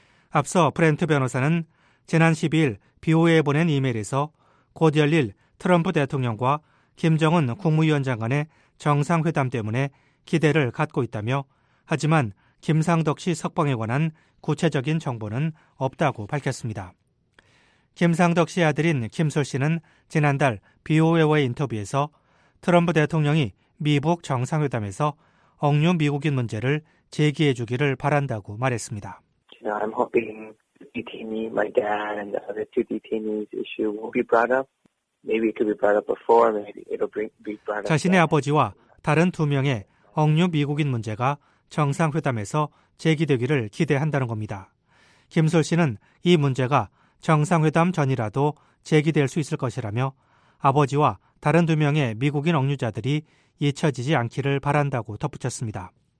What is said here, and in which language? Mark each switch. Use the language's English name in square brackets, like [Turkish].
[Korean] 앞서 브렌트 변호사는 지난 12일 BOA에 보낸 이메일에서 곧 열릴 트럼프 대통령과 김정은 국무위원장 간의 정상회담 때문에 기대를 갖고 있다며 하지만 김상덕 씨 석방에 관한 구체적인 정보는 없다고 밝혔습니다. 김상덕 씨 아들인 김솔 씨는 지난달 BOA와의 인터뷰에서 트럼프 대통령이 미북 정상회담에서 억류 미국인 문제를 제기해 주기를 바란다고 말했습니다. [English] I'm hoping the detainee, my dad and the other two detainees issue will be brought up. Maybe it could be brought up before, maybe it'll be brought up. [Korean] 자신의 아버지와 다른 두 명의 억류 미국인 문제가 정상회담에서 제기되기를 기대한다는 겁니다. 김솔 씨는 이 문제가 정상회담 전이라도 제기될 수 있을 것이라며 아버지와 다른 두 명의 미국인 억류자들이 잊혀지지 않기를 바란다고 덧붙였습니다.